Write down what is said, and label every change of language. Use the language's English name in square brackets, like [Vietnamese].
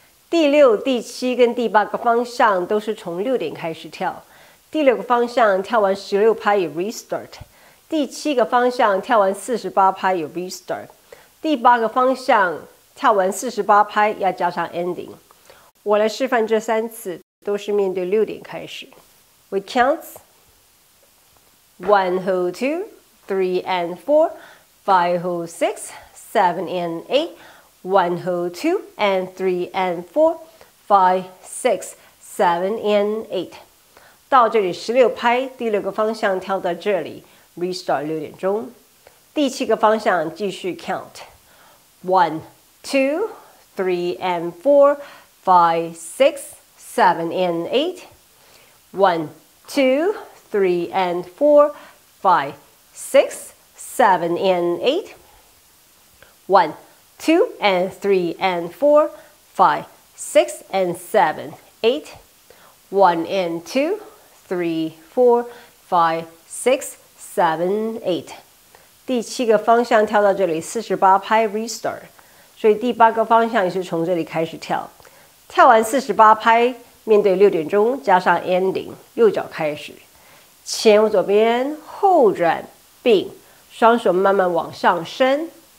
[Chinese] 第六、第七跟第八个方向都是从六点开始跳。第六个方向跳完16拍有 restart， 第七个方向跳完48拍有 restart， 第八个方向跳完48拍要加上 ending。我来示范这三次，都是面对六点开始。 [English] We count: one hold two, three and four, five hold six, seven and eight. One hold two and three and four, five, six, seven and eight. [Chinese] 到这里16拍，第六个方向跳到这里 ，restart 六点钟。第七个方向继续 count. [English] One, two, three and four, five, six, seven and eight. One, two, three and four, five, six, seven and eight. One. Two and three and four, five, six and seven, eight. One and two, three, four, five, six, seven, eight. [Chinese] 第七个方向跳到这里，48拍 restart. 所以第八个方向也是从这里开始跳。跳完48拍，面对六点钟，加上 ending， 右脚开始，前往左边，后转，并双手慢慢往上升。